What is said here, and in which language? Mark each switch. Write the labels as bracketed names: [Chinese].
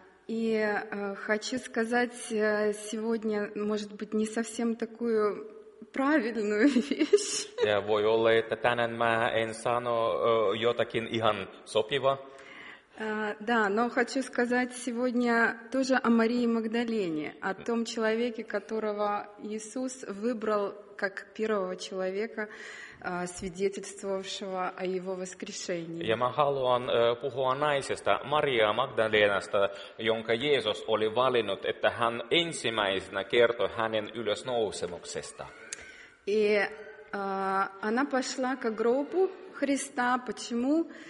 [Russian] И хочу сказать сегодня, может быть, не совсем такую правильную вещь. [Finnish] Ja voi olla, että tänään mä en sano jotakin ihan sopiva. [Russian] Да, но хочу сказать сегодня тоже о Марии Магдалине, о том человеке, которого Иисус выбрал как первого человека, свидетельствовавшего о его воскрешении. [Finnish] Ja mä haluan puhua naisesta, Maria Magdalenasta, jonka Jeesus oli valinnut, että hän ensimmäisenä kertoi hänen ylösnousemuksesta. [Russian] И она пошла к гробу Христа. Почему?